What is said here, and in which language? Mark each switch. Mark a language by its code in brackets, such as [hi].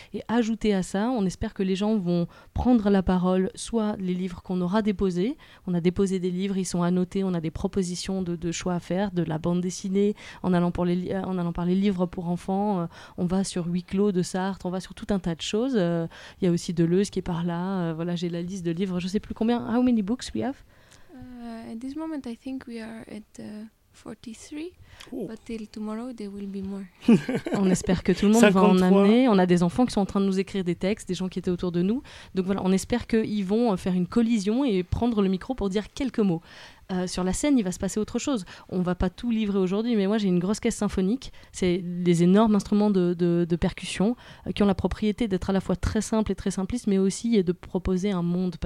[fr] Et ajouté à ça, on espère que les gens vont prendre la parole, soit les livres qu'on aura déposés. On a déposé des livres, ils sont annotés. On a des propositions de choix à faire, de la bande dessinée, en allant par les livres pour enfants. On va sur Huis Clos de Sartre, on va sur tout un tas de choses. Il y a aussi Deleuze qui est par là. Voilà, j'ai la liste de livres. Je sais plus combien, [en] how many books we have? At this moment, I think we are at 43, but till tomorrow, there will be more. [fr] On espère que tout le monde 53. Va en amener. On a des enfants qui sont en train de nous écrire des textes, des gens qui étaient autour de nous. Donc voilà, on espère qu'ils vont faire une collision et prendre le micro pour dire quelques mots. Sur la scène, il va se passer autre chose. On va pas tout livrer aujourd'hui, mais moi j'ai une grosse caisse symphonique. C'est des énormes instruments de percussion qui ont la propriété d'être à la fois très simples et très simplistes, mais aussi de proposer un monde.